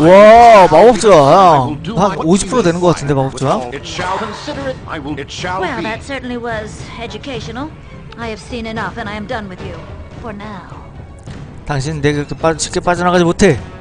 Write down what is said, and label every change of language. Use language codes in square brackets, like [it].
[ko] 와, 마법 조합 한 50% 되는 것 같은데 마법 조합. [en] It shall consider it. I will. It shall be. Well, that certainly was educational. I have seen enough, and I am done with you for now. [ko] 당신 내가 그렇게 쉽게 빠져나가지 못해.